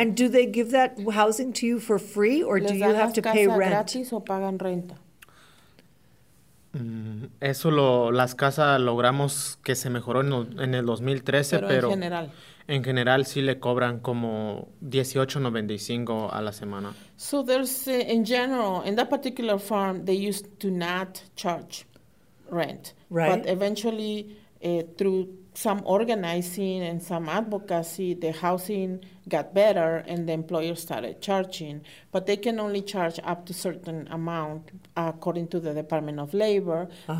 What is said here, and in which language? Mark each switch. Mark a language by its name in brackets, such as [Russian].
[English] And do they give that housing to you for free, or do you have to pay rent? [Spanish] Les dan las casas gratis o pagan renta. Eso lo las casas logramos que se mejoró en el 2013, pero en general. En general, sí le cobran como $18.95 a la semana. [English] So there's in general, in that particular farm, they used to not charge rent. Right. But eventually, through some organizing and some advocacy, the housing got better and the employer started charging. But they can only charge up to certain amount according to the Department of Labor. Uh-huh.